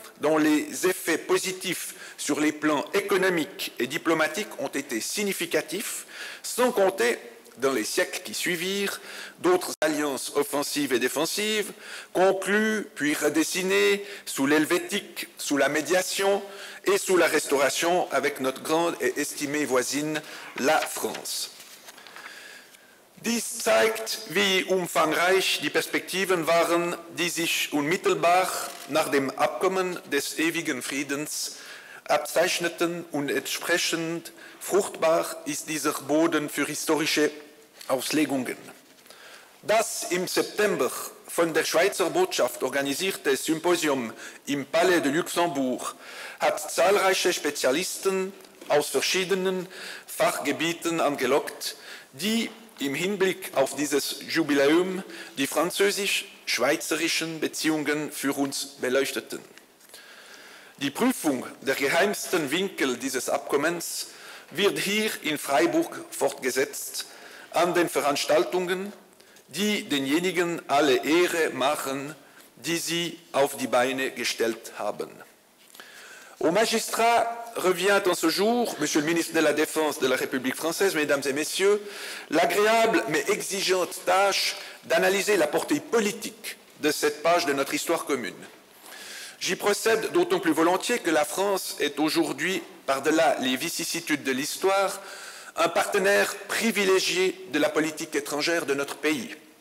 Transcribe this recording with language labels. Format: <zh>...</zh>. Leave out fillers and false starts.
<fr>dont les effets positifs sur les plans économiques et diplomatiques ont été significatifs, sans compter, dans les siècles qui suivirent, d'autres alliances offensives et défensives, conclues puis redessinées sous l'Helvétique, sous la médiation et sous la Restauration avec notre grande et estimée voisine, la France.</fr> <de>Dies zeigt, wie umfangreich die Perspektiven waren, die sich unmittelbar nach dem Abkommen des ewigen Friedens abzeichneten, und entsprechend fruchtbar ist dieser Boden für historische Auslegungen. Das im September von der Schweizer Botschaft organisierte Symposium im Palais de Luxembourg hat zahlreiche Spezialisten aus verschiedenen Fachgebieten angelockt, die im Hinblick auf dieses Jubiläum die französisch-schweizerischen Beziehungen für uns beleuchteten. Die Prüfung der geheimsten Winkel dieses Abkommens wird hier in Freiburg fortgesetzt an den Veranstaltungen, die denjenigen alle Ehre machen, die sie auf die Beine gestellt haben.</de> <fr>Au magistrat revient en ce jour, Monsieur le ministre de la Défense de la République française, Mesdames et Messieurs, l'agréable mais exigeante tâche d'analyser la portée politique de cette page de notre histoire commune. J'y procède d'autant plus volontiers que la France est aujourd'hui, par-delà les vicissitudes de l'histoire, un partenaire privilégié de la politique étrangère de notre pays.</fr>